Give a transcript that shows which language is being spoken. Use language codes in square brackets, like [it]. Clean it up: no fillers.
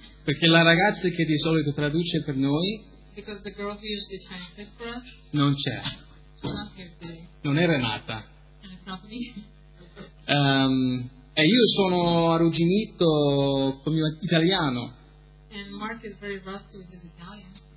[it] Perché la ragazza che di solito traduce per noi, [en] because the girl who usually translates for us, [it] non c'è. [en] Not here today. [it] Non è Renata. [en] And it's not me. [it] E io sono arrugginito con il mio italiano. [en] And Mark is very rusty with his Italian.